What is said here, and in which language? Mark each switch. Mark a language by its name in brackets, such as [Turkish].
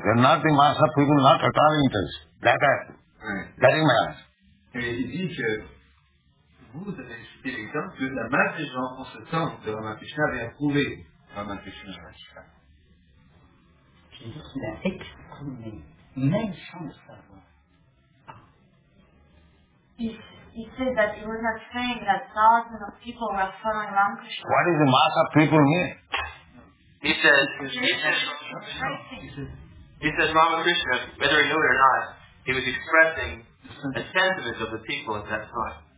[English] They're not the mass of people, not at all interested. That I prove. Right. That is my answer. [French] Et il dit que vous avez cité l'exemple que la masse des gens en ce temps de Ramakrishna avait approuvé Ramakrishna. Je veux dire qu'il a exprimé, même sans le savoir. [English] He said that he was not saying that thousands of people were following Ramakrishna. What is the mass of people here? He says Ramakrishna, whether he knew it or not, he was expressing the sentiment of the people at that time.